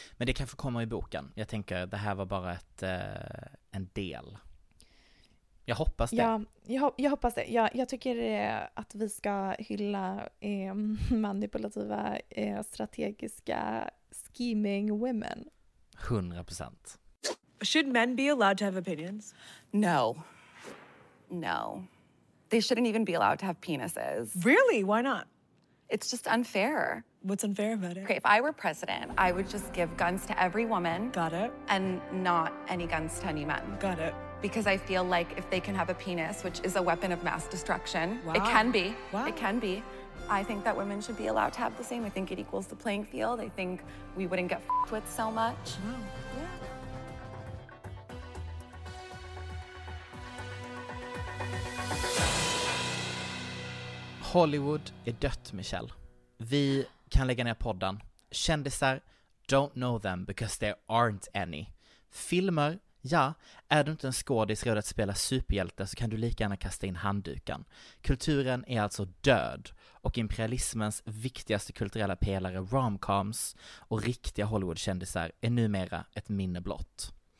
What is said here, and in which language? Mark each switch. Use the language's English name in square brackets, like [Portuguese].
[Swedish] Men det kan få komma i boken. Jag tänker, det här var bara ett, en del. Jag hoppas det. Ja, jag hoppas det. Jag tycker att vi ska hylla manipulativa, strategiska [English] scheming women. [Swedish] 100%. [English] Should men be allowed to have opinions? No. No. They shouldn't even be allowed to have penises. Really? Why not? It's just unfair. What's unfair about it? Okay, if I were president, I would just give guns to every woman. Got it. And not any guns to any men. Got it. Because I feel like if they can have a penis, which is a weapon of mass destruction, wow. It can be. Wow. It can be. I think that women should be allowed to have the same. I think it equals the playing field. I think we wouldn't get f***ed with so much. Wow. Yeah. [Swedish] Hollywood är dött, Michelle. Vi kan lägga ner podden. Kändisar, [English] don't know them because there aren't any. [Swedish] Filmer, ja, är du inte en skådis redo att spela superhjälte så kan du lika gärna kasta in handduken. Kulturen är alltså död och imperialismens viktigaste kulturella pelare romcoms och riktiga Hollywood-kändisar är numera ett minneblott.